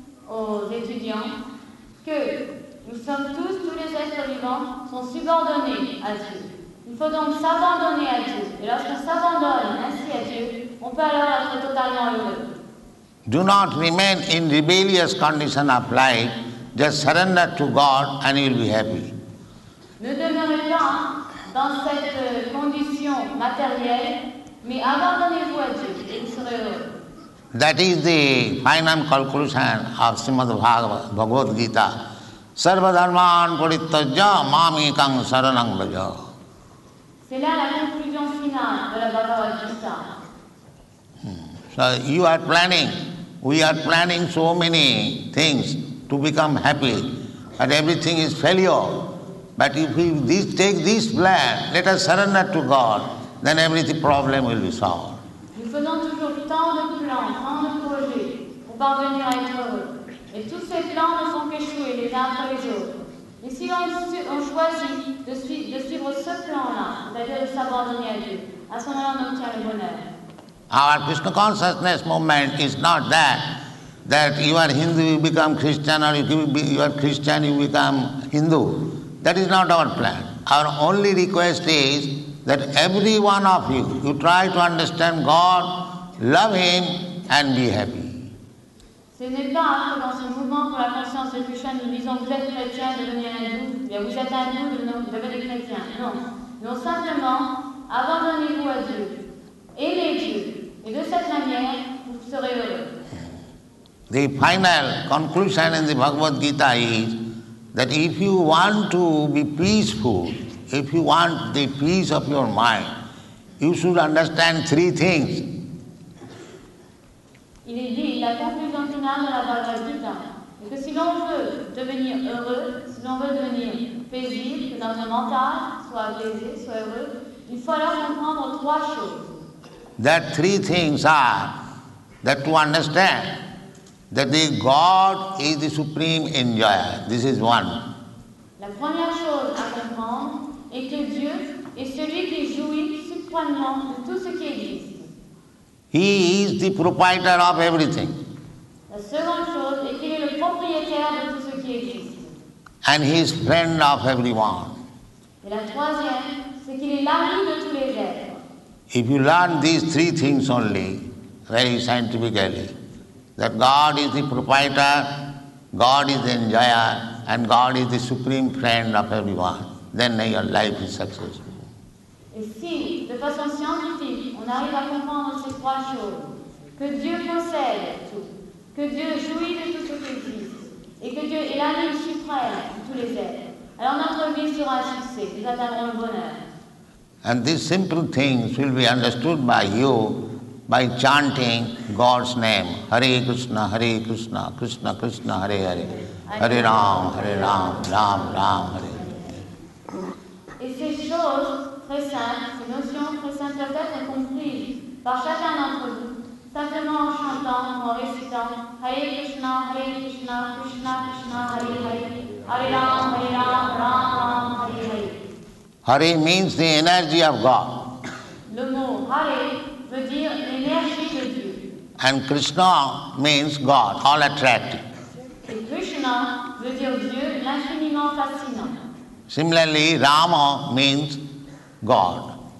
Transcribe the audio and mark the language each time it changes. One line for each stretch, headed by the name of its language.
French: Aux étudiants que nous sommes tous les êtres vivants sont subordonnés à Dieu. Il faut donc s'abandonner à Dieu. Et lorsqu'on s'abandonne ainsi à Dieu, on peut alors être totalement heureux.
English: Do not remain in rebellious condition of life. Just surrender to God and you will be happy.
French: Ne demeurez pas dans cette condition matérielle, mais abandonnez-vous à Dieu et vous serez heureux.
English: That is the final conclusion of Srimad Bhagavad Gita.
Sanskrit: Sarva dharman parityajya mamekam saranam vraja.
French: C'est là la conclusion finale de la Bhagavad Gita.
English: So you are planning, we are planning so many things to become happy, but everything is failure. But if we take this plan, let us surrender to God, then every problem will be solved.
French: Nous faisons toujours tant de plans, tant de projets pour parvenir à être heureux. Et tous ces plans ne font qu'échouer les uns après les autres. Et si on choisit de suivre ce plan-là, c'est-à-dire de s'abandonner à Dieu, à ce moment-là, on obtient le bonheur.
English: Our Krishna consciousness movement is not that. That you are Hindu, you become Christian, or you are Christian, you become Hindu. That is not our plan. Our only request is that every one of you, you try to understand God, love him, and be happy.
French: Ce n'est pas que dans ce mouvement pour la conscience de Krishna, nous disons vous êtes chrétien, devenez hindou, vous êtes hindou, devenez chrétien. Non. Non, simplement, abandonnez-vous à Dieu. Aimez Dieu. Et de cette manière, vous serez heureux.
English: The final conclusion in the Bhagavad Gita is that if you want to be peaceful, if you want the peace of your mind, you should understand three things.
French: Il est dit, la conclusion finale de la Bhagavad Gita, que si l'on veut devenir heureux, si l'on veut devenir paisible, que notre mental soit apaisé, soit heureux, il faut alors comprendre trois choses.
English: That three things are that to understand that the God is the supreme enjoyer. This is one.
French: La première chose à comprendre est que Dieu est celui qui jouit suprêmement de tout ce qui existe.
English: He is the proprietor of everything.
French: La seconde chose est qu'il est le propriétaire de tout ce qui existe.
English: And he is friend of everyone.
French: Et la troisième, c'est qu'il est l'ami de tous les êtres.
English: If you learn these three things only, very scientifically, that God is the proprietor, God is the enjoyer, and God is the supreme friend of everyone, then your life is successful.
French: Et si, de façon scientifique, on arrive à comprendre ces trois choses, que Dieu possède tout, que Dieu jouit de tout ce qui existe, et que Dieu est l'ami suprême de tous les êtres, alors notre vie sera un succès, nous atteindrons le bonheur.
English: And these simple things will be understood by you by chanting God's name.
Sanskrit: Hare Krishna, Hare Krishna, Krishna Krishna, Hare Hare. Hare Ram, Hare Ram, Ram Ram, Hare Hare.
French: Et ces choses très sainte, ces notions très simples peuvent être comprises par chacun d'entre vous, simplement en chantant ou en récitant Hare Krishna, Hare Krishna, Krishna Krishna, Hare Hare, Hare Rama, Hare Rama, Rama Rama, Hare Hare.
English: Hare means the energy of God.
French: Le mot Hare veut dire l'énergie de Dieu.
English: And Krishna means God, all attractive.
French: Et Krishna veut dire Dieu, l'infiniment fascinant.
English: Similarly, Rama means God.